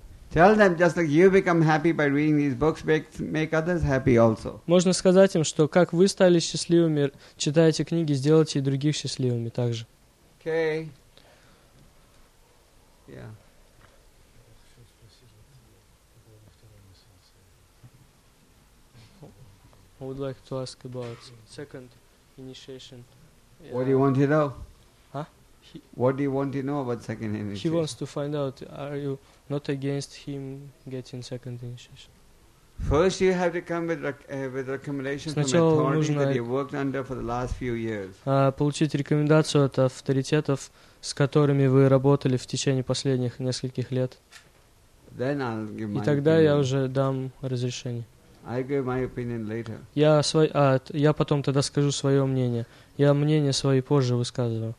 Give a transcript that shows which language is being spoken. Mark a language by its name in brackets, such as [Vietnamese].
[English] Tell them, just like you become happy by reading these books, make others happy also. [Russian] Можно сказать им, что как вы стали счастливыми, читая эти книги, сделайте и других счастливыми также. [English] Okay. Yeah. I would like to ask about second initiation. What do you want to know? Huh? What do you want to know about second initiation? He wants to find out, are you not against him getting second initiation. First you have to come with with recommendation from authority that you worked under for the last few years. [Russian] Получить рекомендацию от авторитетов, с которыми вы работали в течение последних нескольких лет. [English] Then I'll give my [Russian] И тогда [English] opinion. [Russian] Я уже дам разрешение. [English] I give my opinion later. [Russian] Я потом тогда скажу свое мнение. Я мнение свои позже высказываю.